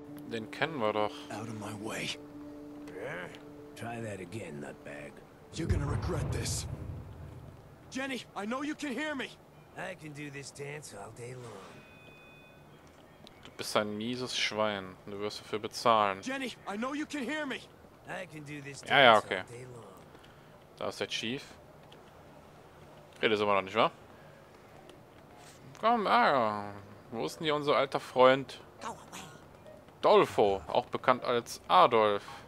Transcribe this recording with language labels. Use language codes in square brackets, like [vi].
[de] Den kennen wir doch. [en] Out of my way. Yeah. Try that again, nutbag. You're gonna regret this. Jenny, I know you can hear me. I can do this dance all day long. [de] Du bist ein mieses Schwein. Du wirst dafür bezahlen. [en] Jenny, I know you can hear me. I can do this dance all day long. [de] Da ist der Chief. Redet immer noch nicht, wa? Komm, wo ist denn hier unser alter Freund? [en] Go away. [de] Dolfo, auch bekannt als Adolf.